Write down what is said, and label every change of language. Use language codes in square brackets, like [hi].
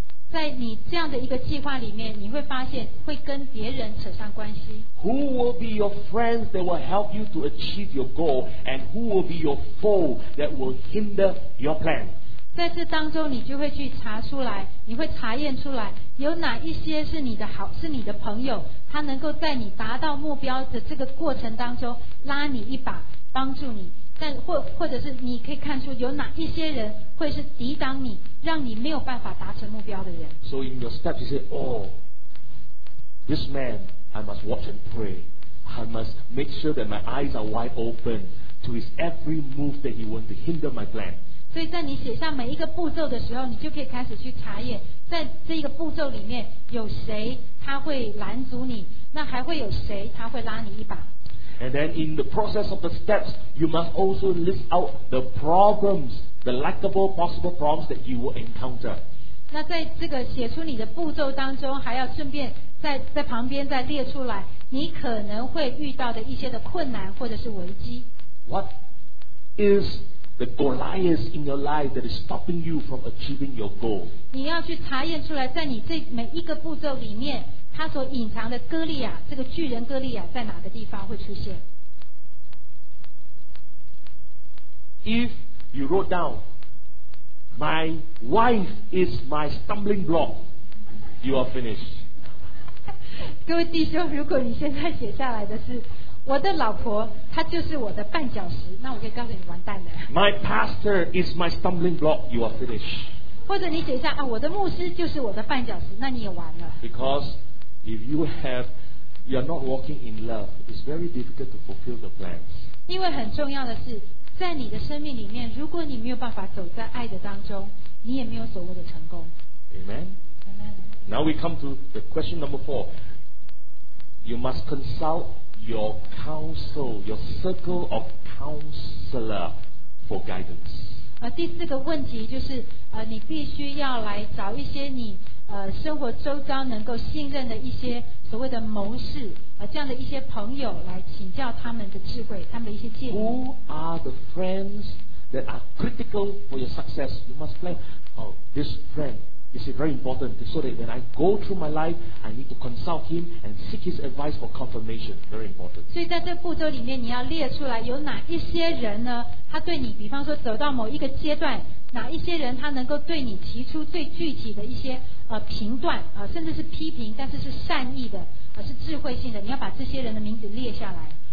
[zh] 在你这样的一个计划里面，你会发现会跟别人扯上关系。 [en] Who will be your friends that will help you to achieve your goal, and who will be your foe that will hinder your plan? [zh] 在这当中，你就会去查出来，你会查验出来，有哪一些是你的好，是你的朋友，他能够在你达到目标的这个过程当中拉你一把，帮助你。但或者是你可以看出有哪一些人会是抵挡你让你没有办法达成目标的人。 [en] So in your steps you say, oh, this man I must watch and pray, I must make sure that my eyes are wide open to his every move that he wants to hinder my plan. [zh] 所以在你写下每一个步骤的时候，你就可以开始去查验在这个步骤里面有谁他会拦阻你，那还会有谁他会拉你一把。 [en] And then in the process of the steps, you must also list out the problems, the likable possible problems that you will encounter. [zh] 那在这个写出你的步骤当中，还要顺便在旁边再列出来你可能会遇到的一些的困难或者是危机。 [en] What is the Goliath in your life that is stopping you from achieving your goal? [zh] 你要去查验出来，在你这每一个步骤里面他所隐藏的哥利亚，这个巨人哥利亚在哪个地方会出现。 [en] If you wrote down my wife is my stumbling block, you are finished. [zh] 各位弟兄，如果你现在写下来的是我的老婆她就是我的绊脚石，那我可以告诉你完蛋了。 [en] My pastor is my stumbling block, you are finished. [zh] 或者你写下啊，我的牧师就是我的绊脚石，那你也完了。 [en] BecauseIf you are not walking in love, it's very difficult to fulfill the plans. [zh] 因为很重要的是，在你的生命里面，如果你没有办法走在爱的当中，你也没有所谓的成功。 [en] Amen. Amen. Now we come to the question number four. You must consult your counsel, your circle of counselor for guidance. [zh] 第四个问题就是，你必须要来找一些你生活周遭能够信任的一些所谓的谋士，这样的一些朋友来请教他们的智慧，他们的一些建议。 [en] Who are the friends that are critical for your success? You must plan. Oh, this friend is very important, so that when I go through my life, I need to consult him and seek his advice for confirmation. Very important. [zh] 所以在这步骤里面，你要列出来有哪一些人呢？他对你，比方说走到某一个阶段，哪一些人他能够对你提出最具体的一些评断甚至是批评，但是是善意的是智慧性的，你要把这些人的名字列下来。